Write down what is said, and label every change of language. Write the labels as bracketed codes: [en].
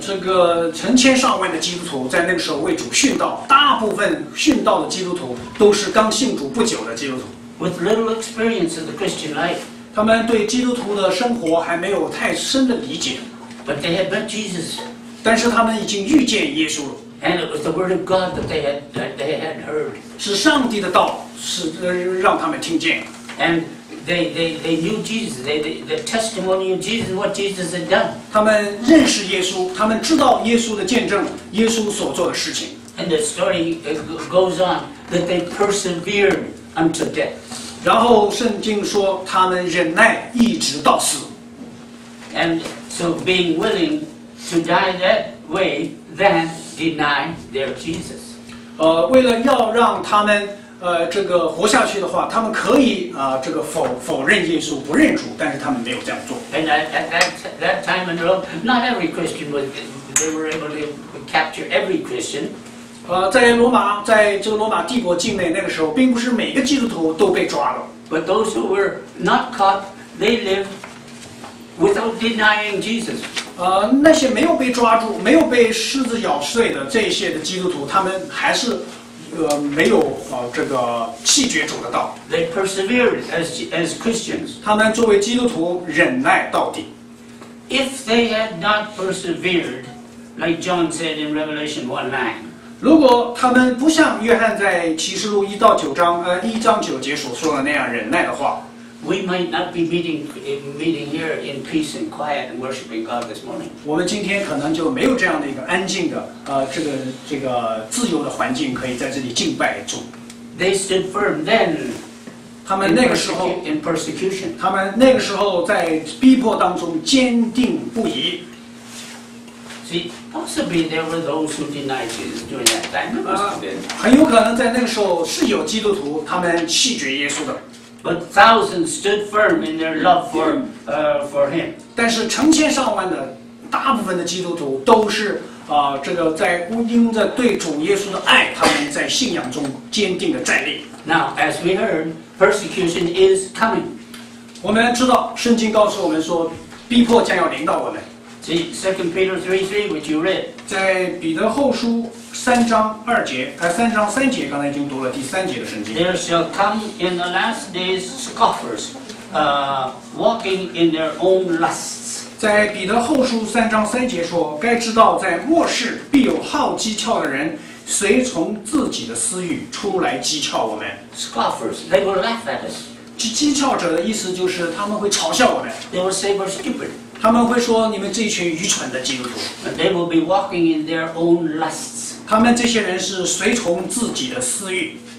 [zh] 这个成千上万的基督徒在那个时候为主殉道，大部分殉道的基督徒都是刚信主不久的基督徒。 [en] with little experience of the Christian life. [zh] 他们对基督徒的生活还没有太深的理解。 [en] But they had met Jesus. [zh] 但是他们已经遇见耶稣了。 [en] And it was the word of God that they had heard. [zh] 是上帝的道是让他们听见。 [en] And they knew Jesus. The testimony of Jesus, what Jesus had done. [zh] 他们认识耶稣，他们知道耶稣的见证，耶稣所做的事情。 [en] And the story goes on that they persevered unto death. [zh] 然后圣经说他们忍耐一直到死。 [en] And so being willing to die that way, then. Deny their Jesus. [zh] 为了要让他们这个活下去的话，他们可以这个否认耶稣，不认主，但是他们没有这样做。 [en] And at that time in Rome, not every Christian was. They were able to capture every Christian. [zh] 在罗马帝国境内，那个时候并不是每个基督徒都被抓了。 [en] But those who were not caught, they lived without denying Jesus. [zh] 那些没有被抓住、没有被狮子咬碎的这些的基督徒，他们还是没有这个弃绝主的道。 [en] They persevered as Christians. [zh] 他们作为基督徒忍耐到底。 [en] If they had not persevered, like John said in Revelation 1:9, [zh] 如果他们不像约翰在启示录1章9节所说的那样忍耐的话。 [en] We might not be meeting here in peace and quiet and worshiping God this morning. [zh] 我们今天可能就没有这样的一个安静的这个自由的环境，可以在这里敬拜主。 [en] They stood firm then. [zh] 他们那个时候 [en] in persecution. [zh] 他们那个时候在逼迫当中坚定不移。 [en] See, possibly there were those who denied Jesus during that time. [zh] 很有可能在那个时候是有基督徒他们弃绝耶稣的。 [en] But thousands stood firm in their love for him. [zh] 但是成千上万的，大部分的基督徒都是这个在因着对主耶稣的爱，他们在信仰中坚定的站立。 [en] Now, as we heard, persecution is coming. [zh] 我们知道圣经告诉我们说，逼迫将要临到我们。 [en] See, 2 Peter 3:3, which you read. [zh] 在彼得后书3章3节，刚才已经读了第三节的圣经。 [en] There shall come in the last days scoffers, walking in their own lusts. [zh] 在彼得后书3章3节说，该知道在末世必有好讥诮的人，随从自己的私欲出来讥诮我们。 [en] Scoffers, they will laugh at us. [zh] 讥诮者的意思就是他们会嘲笑我们。 [en] They will say we're stupid. [zh] 他们会说你们这群愚蠢的基督徒。 [en] But they will be walking in their own lusts. [zh] 他们这些人是随从自己的私欲。